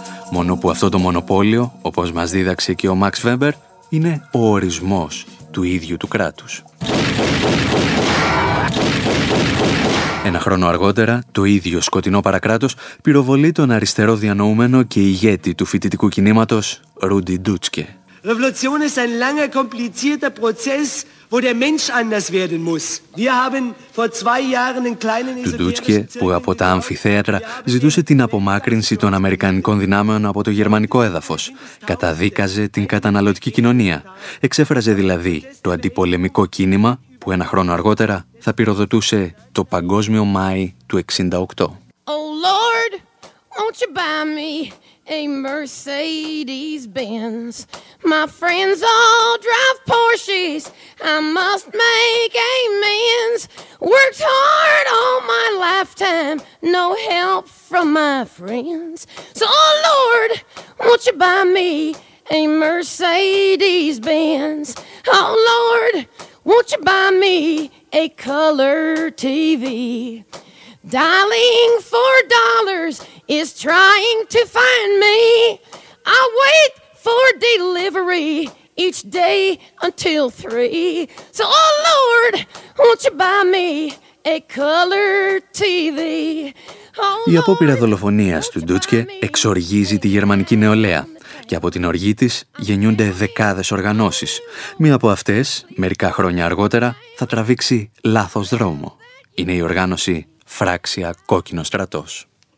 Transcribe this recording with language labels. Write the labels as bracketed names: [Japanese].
[Greek] Μόνο που αυτό το μονοπόλιο, όπως μας δίδαξε και ο Max Weber, είναι ο ορισμός του ίδιου του κράτους. Ένα χρόνο αργότερα, το ίδιο σκοτεινό παρακράτος πυροβολεί τον αριστερό διανοούμενο και ηγέτη του φοιτητικού κινήματος, Ρούντι Ντούτσκε. [German] Revolution ist ein langer, komplizierter Prozess, wo der Mensch anders werden muss. Wir haben vor zwei Jahren einen kleinen [Greek] Του Ντούτσκε, που από τα αμφιθέατρα ζητούσε την απομάκρυνση των αμερικανικών δυνάμεων από το γερμανικό έδαφος, καταδίκαζε την καταναλωτική κοινωνία, εξέφραζε δηλαδή το αντιπολεμικό κίνημα που ένα χρόνο αργότερα θα πυροδοτούσε το Παγκόσμιο Μάη του 68. [English] Oh Lord, won't you buy me a Mercedes Benz? My friends all drive Porsches. I must make amends. Worked hard all my lifetime. No help from my friends. So oh Lord, won't you buy me a Mercedes Benz? Oh Lord, won't you buy me a color TV? Dialing for dollars is trying to find me. I wait for delivery each day until three. So, oh Lord, won't you buy me a color TV? [Greek] Η απόπειρα δολοφονίας του Ντούτσκε εξοργίζει τη γερμανική νεολαία και από την οργή της γεννιούνται δεκάδες οργανώσεις. Μία από αυτές, μερικά χρόνια αργότερα, θα τραβήξει λάθος δρόμο. Είναι η οργάνωση Φράξια Κόκκινο Στρατός.